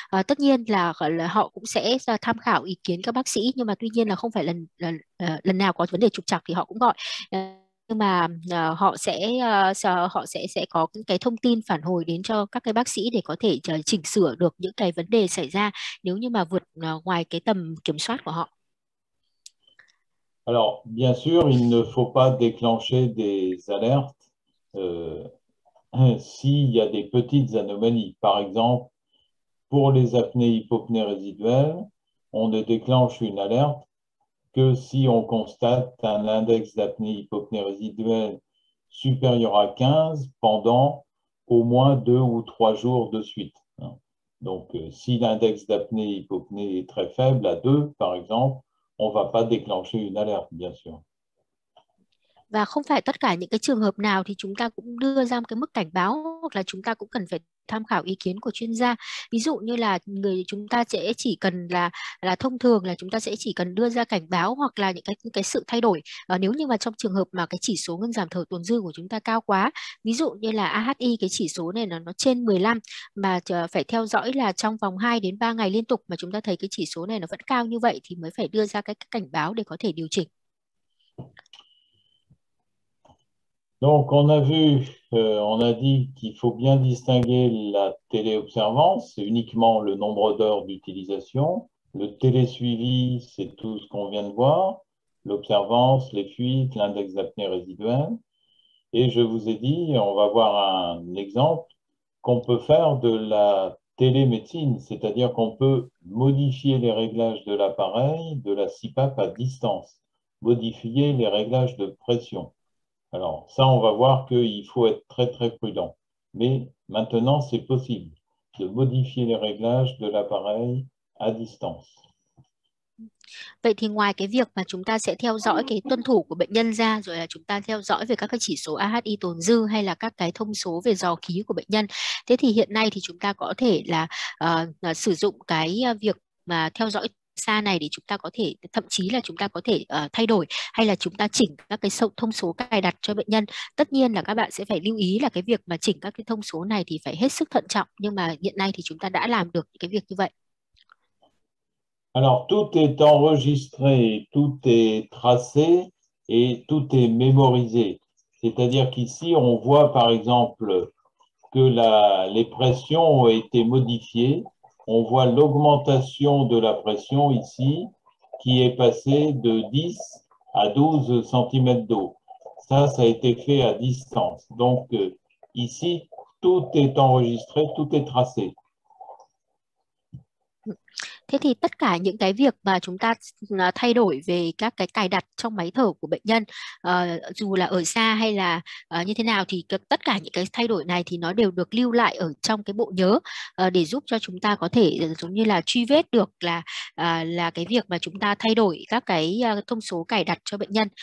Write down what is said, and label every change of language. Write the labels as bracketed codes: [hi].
[vi] Tất nhiên là họ cũng sẽ tham khảo ý kiến các bác sĩ, nhưng mà tuy nhiên là không phải lần nào có vấn đề trục trặc thì họ cũng gọi. Nhưng mà họ sẽ có những cái thông tin phản hồi đến cho các cái bác sĩ để có thể chỉnh sửa được những cái vấn đề xảy ra nếu như mà vượt ngoài cái tầm kiểm soát của họ. [fr] Alors, bien sûr, il ne faut pas déclencher des alertes s'il y a des petites anomalies. Par exemple, pour les apnées hypopnées résiduelles, on ne déclenche une alerte que si on constate un index d'apnée hypopnée résiduelle supérieur à 15 pendant au moins 2 ou 3 jours de suite. Donc, si l'index d'apnée hypopnée est très faible, à 2 par exemple, on ne va pas déclencher une alerte, bien sûr. [vi] Và không phải tất cả những cái trường hợp nào thì chúng ta cũng đưa ra một cái mức cảnh báo, hoặc là chúng ta cũng cần phải tham khảo ý kiến của chuyên gia. Ví dụ như là người chúng ta sẽ chỉ cần là thông thường là chúng ta sẽ chỉ cần đưa ra cảnh báo hoặc là những cái sự thay đổi nếu như mà trong trường hợp mà cái chỉ số ngưng giảm thở tồn dư của chúng ta cao quá. Ví dụ như là AHI, cái chỉ số này nó trên 15 mà phải theo dõi là trong vòng 2 đến 3 ngày liên tục mà chúng ta thấy cái chỉ số này nó vẫn cao như vậy thì mới phải đưa ra cái cảnh báo để có thể điều chỉnh. [fr] Donc, on a vu, on a dit qu'il faut bien distinguer la téléobservance, c'est uniquement le nombre d'heures d'utilisation. Le télésuivi, c'est tout ce qu'on vient de voir, l'observance, les fuites, l'index d'apnée résiduelle. Et je vous ai dit, on va voir un exemple, qu'on peut faire de la télémédecine, c'est-à-dire qu'on peut modifier les réglages de l'appareil, de la CPAP à distance, modifier les réglages de pression. Alors, ça, on va voir qu'il faut être très, très prudent. Mais maintenant, c'est possible de modifier les réglages de l'appareil à distance. [vi] Vậy thì ngoài cái việc mà chúng ta sẽ theo dõi cái tuân thủ của bệnh nhân ra, rồi là chúng ta theo dõi về các cái chỉ số AHI tồn dư hay là các cái thông số về dò khí của bệnh nhân, thế thì hiện nay thì chúng ta có thể là sử dụng cái việc mà theo dõi xa này để chúng ta có thể, thậm chí là chúng ta có thể thay đổi hay là chúng ta chỉnh các cái thông số cài đặt cho bệnh nhân. Tất nhiên là các bạn sẽ phải lưu ý là cái việc mà chỉnh các cái thông số này thì phải hết sức thận trọng, nhưng mà hiện nay thì chúng ta đã làm được cái việc như vậy. [fr] Alors tout est enregistré, tout est tracé et tout est mémorisé. C'est-à-dire qu'ici, on voit par exemple que les pressions ont été modifiées. On voit l'augmentation de la pression ici qui est passée de 10 à 12 cm d'eau. Ça a été fait à distance. Donc ici, tout est enregistré, tout est tracé. [vi] Thế thì tất cả những cái việc mà chúng ta thay đổi về các cái cài đặt trong máy thở của bệnh nhân, dù là ở xa hay là như thế nào, thì tất cả những cái thay đổi này thì nó đều được lưu lại ở trong cái bộ nhớ, để giúp cho chúng ta có thể giống như là truy vết được là cái việc mà chúng ta thay đổi các cái thông số cài đặt cho bệnh nhân.